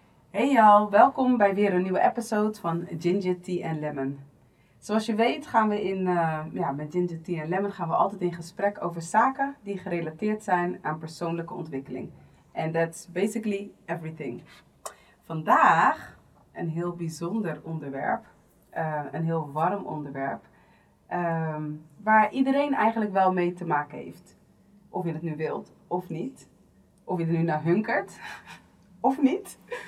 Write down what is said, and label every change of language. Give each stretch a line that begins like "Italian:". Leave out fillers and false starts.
Dutch: Geniaal, welkom bij weer een nieuwe episode van Ginger Tea and Lemon. Zoals je weet gaan we met Ginger Tea and Lemon gaan we altijd in gesprek over zaken die gerelateerd zijn aan persoonlijke ontwikkeling.
English: And that's basically everything.
Dutch: Vandaag een heel bijzonder onderwerp, een heel warm onderwerp, waar iedereen eigenlijk wel mee te maken heeft. Of je het nu wilt, of niet. Of je er nu naar hunkert, of niet.